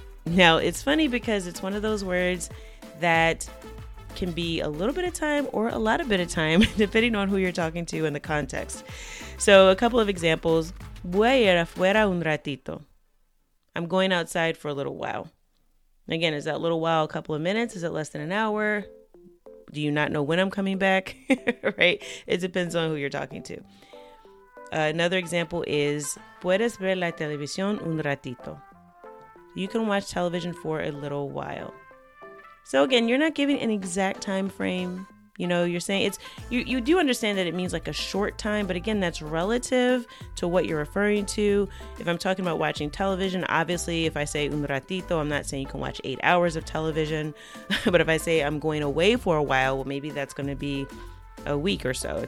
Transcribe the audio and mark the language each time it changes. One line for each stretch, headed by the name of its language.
English: Now, it's funny because it's one of those words that can be a little bit of time or a lot of bit of time, depending on who you're talking to and the context. So a couple of examples.
Spanish: Voy a ir afuera un ratito.
English: I'm going outside for a little while. Again, is that little while a couple of minutes? Is it less than an hour? Do you not know when I'm coming back? Right? It depends on who you're talking to. Another example is,
Spanish: puedes ver la televisión un ratito.
English: You can watch television for a little while. So again, you're not giving an exact time frame. You know, you're saying it's, you do understand that it means like a short time, but again, that's relative to what you're referring to. If I'm talking about watching television, obviously if I say
Spanish: un ratito,
English: I'm not saying you can watch 8 hours of television, but if I say I'm going away for a while, well, maybe that's going to be a week or so.